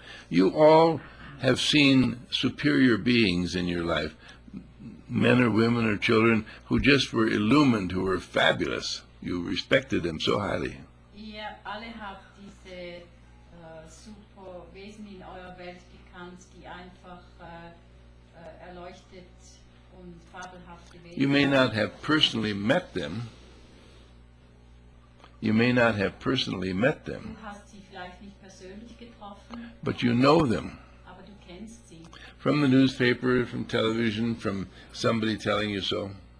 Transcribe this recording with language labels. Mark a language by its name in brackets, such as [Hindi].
[English] You all have seen superior beings in your life, men or women or children, who just were illumined, who were fabulous. You respected them so highly. [German] Ihr alle habt diese super Wesen in eurer Welt gekannt, die einfach erleuchtet und fabelhaft gewesen sind. [English] You may not have personally met them. You may not have personally met them. [German] Du hast sie vielleicht nicht persönlich getroffen. [English] But you know them. [German] Aber du kennst sie. [English] From the newspaper, from television, from somebody telling you so.